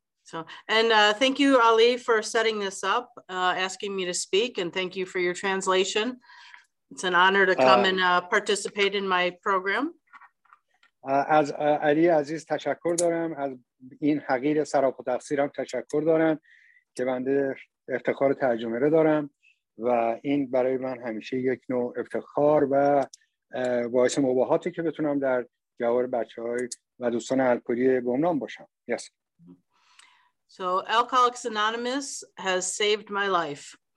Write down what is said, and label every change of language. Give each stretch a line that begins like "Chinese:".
English: So, and thank you, Ali, for setting this up, asking me to speak, and thank you for your translation. It's an honor to come and participate in my program.
Persian: از علی عزیز تشکر دارم، از این حقیر سراپا تقصیرم تشکر دارم که بنده افتخار ترجمه را دارم و این برای من همیشه یک نوع افتخار و باعث مباهاتی که بتونم در جوار بچه‌های و دوستان الکلی به عنوان باشم.
English: Yes. So Alcoholics Anonymous has saved my life.